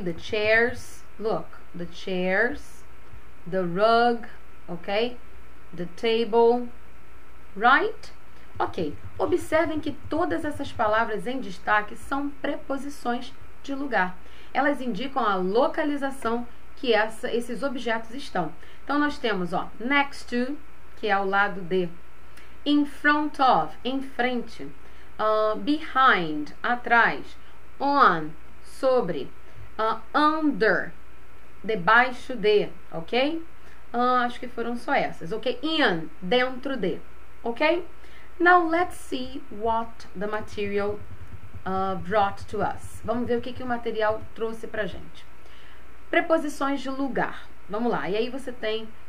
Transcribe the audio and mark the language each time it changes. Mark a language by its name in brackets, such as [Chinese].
[English] The chairs, look, the chairs, the rug, ok? The table, right? [Portuguese] Ok, observem que todas essas palavras em destaque são preposições de lugar. Elas indicam a localização que esses objetos estão. Então, nós temos, ó, next to, que é ao lado de. [English] In front of, [Portuguese] em frente. [English] Behind, [Portuguese] atrás. On, sobre. Under, debaixo de, ok? Acho que foram só essas, ok? In, dentro de, ok? [English] Now, let's see what the material brought to us. [Portuguese] Vamos ver o que o material trouxe pra gente. Preposições de lugar. Vamos lá. E aí você tem